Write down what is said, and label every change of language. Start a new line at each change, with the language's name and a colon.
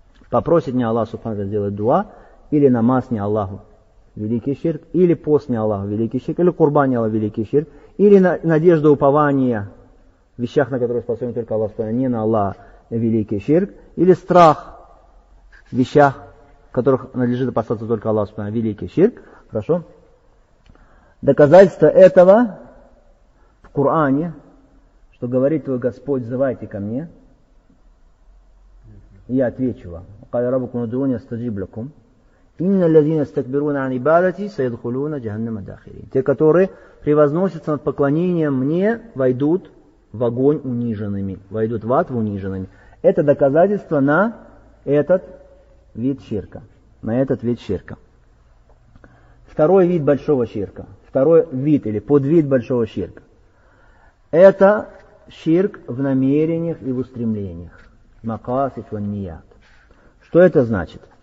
Russian: Попросит не Аллах Субхану сделать дуа, или намаз не Аллаху, великий ширк, или пост не Аллаху, великий ширк, или курбан не Аллаху, великий ширк, или надежда упования в вещах, на которые способен только Аллах Субхану, не на Аллах, великий ширк, или страх в вещах, которых надлежит опасаться только Аллах Субхану, великий ширк. Хорошо. Доказательство этого в Коране, что говорит твой Господь, взывайте ко мне, я отвечу вам.
Arabic: قال ربكم ادعوني استجب لكم ان الذين يستكبرون عن عبادتي سيدخلون جهنم داخرين.
Russian: Те, которые превозносятся над поклонением мне, войдут в огонь униженными, войдут в ад униженными. Это доказательство на этот вид ширка, на этот вид ширка. Второй вид большого ширка, второй вид или подвид большого ширка, это ширк в намерениях и в устремлениях,
Arabic: макасид ва ният.
Russian: Что это значит?